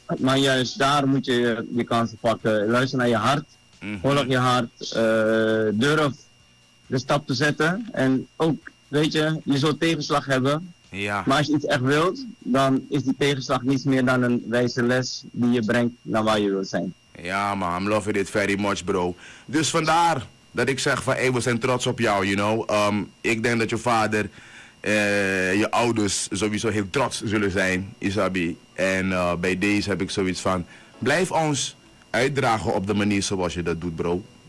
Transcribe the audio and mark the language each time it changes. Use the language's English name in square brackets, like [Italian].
[Dutch] Maar juist daar moet je je kansen pakken. Luister naar je hart. Mm-hmm. Volg je hart. Durf de stap te zetten. En ook, weet je, je zult tegenslag hebben. Ja. Maar als je iets echt wilt, dan is die tegenslag niets meer dan een wijze les die je brengt naar waar je wilt zijn. Ja man, [English] I'm loving it very much bro. [Dutch] Dus vandaar dat ik zeg van hey, we zijn trots op jou, [English] you know. [Dutch] Ik denk dat je vader, je ouders sowieso heel trots zullen zijn, Isabi. En bij deze heb ik zoiets van, blijf ons uitdragen op de manier zoals je dat doet bro.